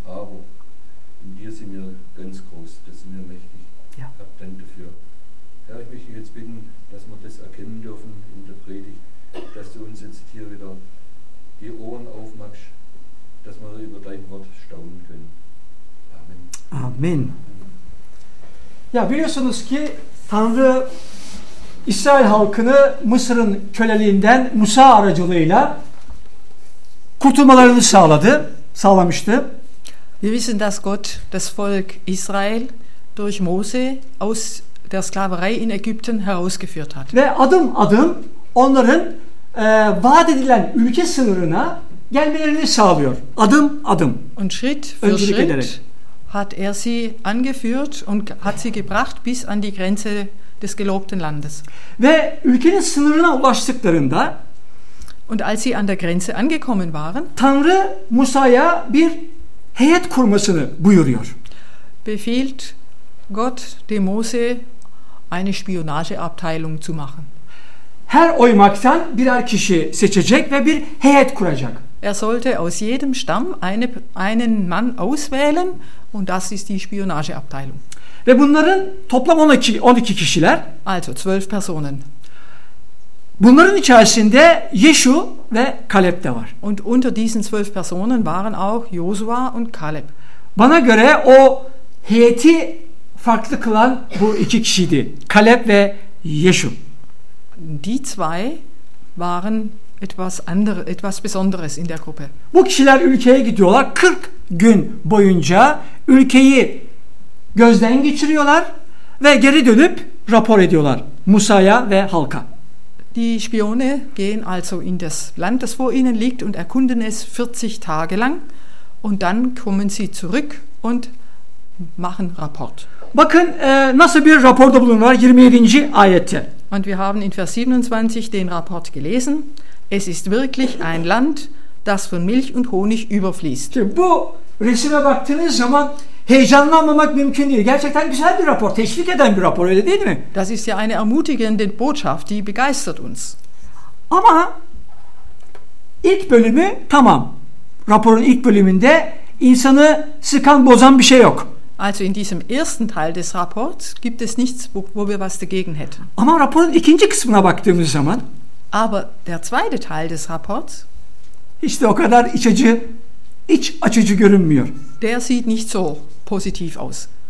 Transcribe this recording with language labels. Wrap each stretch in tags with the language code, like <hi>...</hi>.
<de>Aber in dir sind wir ganz groß, das sind wir mächtig. Ja. Hab Dank dafür. Herr, ich möchte jetzt bitten, dass wir das erkennen dürfen in der Predigt, dass du uns jetzt hier wieder die Ohren aufmachst, dass wir über dein Wort staunen können. Amen. Amen.</de> <tr>Ja, biliyorsunuz ki Tanrı İsrail halkını Mısır'ın köleliğinden Musa aracılığıyla kurtulmalarını sağlamıştı.</tr> <de>Wir wissen, dass Gott das Volk Israel durch Mose aus der Sklaverei in Ägypten herausgeführt hat.</de> <tr>Ve adım adım onların vaat edilen ülke sınırına gelmelerini sağlıyor. Adım adım.</tr> <de>Und Schritt für</de> <tr>Öncelik</tr> <de>Schritt</de> <tr>ederek.</tr> <de>Hat sie angeführt und hat sie gebracht bis an die Grenze des gelobten Landes.</de> <tr>Ve ülkenin sınırına ulaştıklarında</tr> <de>und als sie an der Grenze angekommen waren,</de> <tr>Tanrı Musa'ya bir heyet kurmasını buyuruyor.</tr> <de>Befiehlt Gott dem Mose eine Spionageabteilung zu machen.</de> <tr>Her oymaktan birer kişi seçecek ve bir heyet kuracak.</tr> <de>Er sollte aus jedem Stamm einen Mann auswählen und das ist die Spionageabteilung.</de> <tr>Ve bunların toplam 12 kişiler.</tr> <de>Also 12 Personen.</de> <tr>Bunların içerisinde Yeşu ve Kaleb de var.</tr> <de>Und unter diesen 12 Personen waren auch Josua und Kaleb.</de> <tr>Bana göre o heyeti farklı kılan bu iki kişiydi. Kaleb ve Yeşu.</tr> <de>Die zwei waren etwas Besonderes in der Gruppe.</de> <tr>Bu kişiler ülkeye gidiyorlar. 40 gün boyunca ülkeyi gözden geçiriyorlar ve geri dönüp rapor ediyorlar Musa'ya ve halka.</tr> <de>Die Spione gehen also in das Land, das vor ihnen liegt, und erkunden es 40 Tage lang. Und dann kommen sie zurück und machen Rapport.</de> <tr>Bakın nasıl bir raporda bulunurlar 27. ayette.</tr> <de>Und wir haben in Vers 27 den Rapport gelesen. Es ist wirklich ein Land, das von Milch und Honig überfließt.</de> <tr>Bu resime baktığınız zaman heyecanlanmamak mümkün değil. Gerçekten güzel bir rapor, teşvik eden bir rapor, öyle değil mi?</tr> <de>Das ist ja eine ermutigende Botschaft, die begeistert uns.</de> <tr>Ama ilk bölümü tamam. Raporun ilk bölümünde insanı sıkan, bozan bir şey yok.</tr> <de>Also in diesem ersten Teil des Rapports gibt es nichts, wo wir was dagegen hätten.</de> <tr>Ama raporun ikinci kısmına baktığımız zaman,</tr> <de>aber der zweite Teil des Rapports,</de> <tr>işte o kadar iç açıcı görünmüyor.</tr> <de>Der sieht nicht so positiv aus.</de>